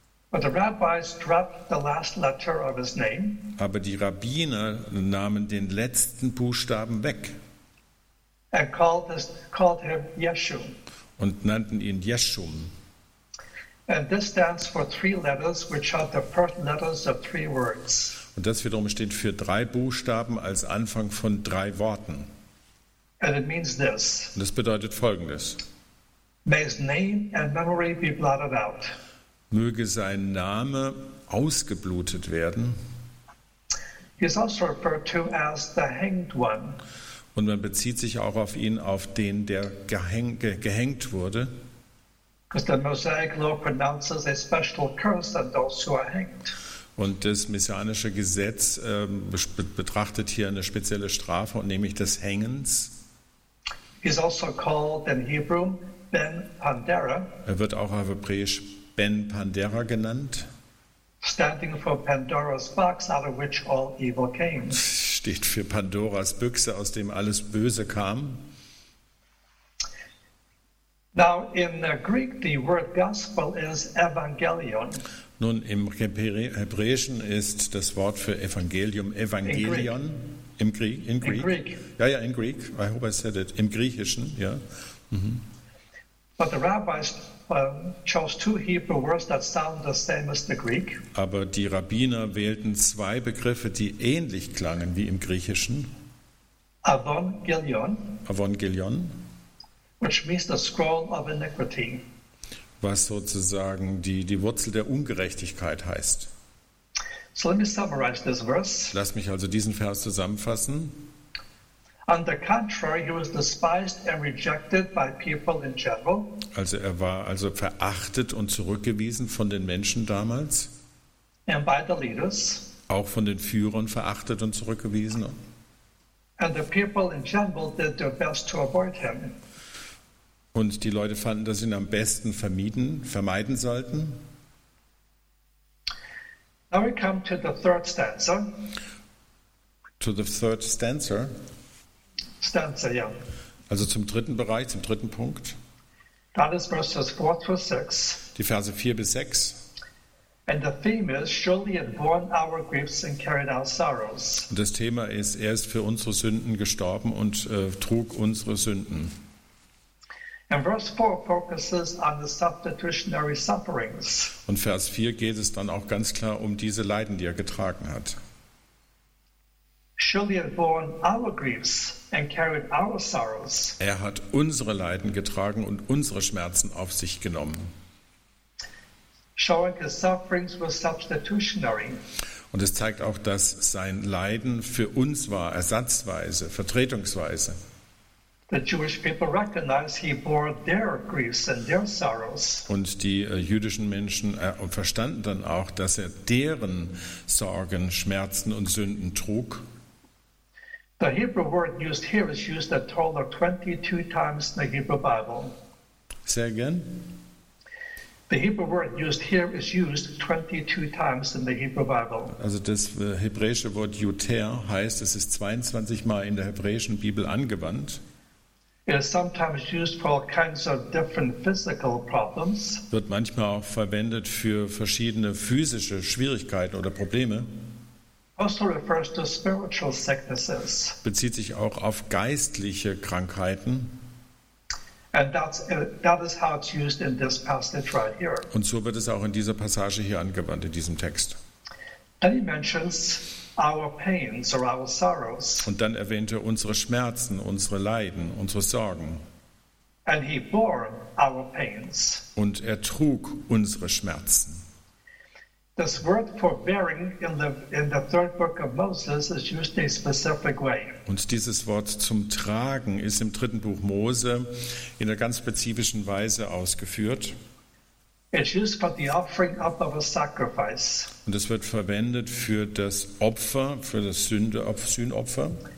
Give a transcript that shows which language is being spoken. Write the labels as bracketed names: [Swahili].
[English] But the rabbis dropped the last letter of his name. [German] Aber die Rabbiner nahmen den letzten Buchstaben weg. [English] And called him Yeshua. [German] Und nannten ihn Yeshua. [English] And this stands for three letters, which are the first letters of three words. [German] Und das wiederum steht für drei Buchstaben als Anfang von drei Worten. [English] And it means this. [German] Und das bedeutet Folgendes. [English] May his name and memory be blotted out. [German] Möge sein Name ausgeblutet werden. [English] He is also referred to as the hanged one. [German] Und man bezieht sich auch auf ihn, auf den, der gehängt wurde. [English] Because the Mosaic law pronounces a special curse on those who are hanged. [German] Und das messianische Gesetz betrachtet hier eine spezielle Strafe, nämlich des Hängens. [English] He's also called in Hebrew Ben Pandera. [German] Er wird auch auf Hebräisch Ben Pandera genannt. [English] Standing for Pandora's box, out of which all evil came. [German] Steht für Pandoras Büchse, aus dem alles Böse kam. [English] Now in the Greek, the word gospel is Evangelion. [German] Nun, im Hebräischen ist das Wort für Evangelium Evangelion. [English] In Greek. [German] Im Griech, [English] in Greek. In Greek. Ja, in Greek. I hope I said it. [German] Im Griechischen, ja. Mhm. [English] But the rabbis chose two Hebrew words that sound the same as the Greek. [German] Aber die Rabbiner wählten zwei Begriffe, die ähnlich klangen wie im Griechischen. [English] Evangelion. [German] Evangelion. [English] Which means the scroll of iniquity. [German] Was sozusagen die Wurzel der Ungerechtigkeit heißt. [English] So let me summarize this verse. [German] Lass mich also diesen Vers zusammenfassen. [English] On the contrary, he was despised and rejected by people in general. [German] Also er war also verachtet und zurückgewiesen von den Menschen damals. [English] And by the leaders. [German] Auch von den Führern verachtet und zurückgewiesen. [English] And the people in general did their best to avoid him. [German] Und die Leute fanden, dass sie ihn am besten vermeiden sollten. [English] Now we come to the third stanza. To the third stanza. Stanza, yeah. [German] Also zum dritten Bereich, zum dritten Punkt. [English] That is verses 4 through 6. [German] Die Verse 4 bis 6. [English] And the theme is, surely he had borne our griefs and carried our sorrows. [German] Und das Thema ist, er ist für unsere Sünden gestorben und trug unsere Sünden. [English] And verse 4 focuses on the substitutionary sufferings. [German] Und Vers 4 geht es dann auch ganz klar um diese Leiden, die er getragen hat. [English] Surely he had borne our griefs and carried our sorrows. [German] Er hat unsere Leiden getragen und unsere Schmerzen auf sich genommen. [English] Showing his sufferings were substitutionary. [German] Und es zeigt auch, dass sein Leiden für uns war, ersatzweise, vertretungsweise. [English] The Jewish people recognized he bore their griefs and their sorrows. [German] Und die jüdischen Menschen verstanden dann auch, dass er deren Sorgen, Schmerzen und Sünden trug. [English] The Hebrew word used here is used a total of 22 times in the Hebrew Bible. Say again. The Hebrew word used here is used 22 times in the Hebrew Bible. [German] Also das hebräische Wort Juter heißt, es ist 22 Mal in der hebräischen Bibel angewandt. [English] It is sometimes used for all kinds of different physical problems. [German] Wird manchmal auch verwendet für verschiedene physische Schwierigkeiten oder Probleme. [English] Also refers to spiritual sicknesses. [German] Bezieht sich auch auf geistliche Krankheiten. [English] And that is how it's used in this passage right here. [German] Und so wird es auch in dieser Passage hier angewandt, in diesem Text. [English] Then he mentions our pains or our sorrows. [German] Und dann erwähnt er unsere Schmerzen, unsere Leiden, unsere Sorgen. [English] And he bore our pains. [German] Und er trug unsere Schmerzen. [English] This word for bearing in the third book of Moses is used in a specific way. [German] Und dieses Wort zum Tragen ist im dritten Buch Mose in einer ganz spezifischen Weise ausgeführt. [English] It's used for the offering up of a sacrifice. [German] Und es wird verwendet für das Opfer, für das Sühnopfer.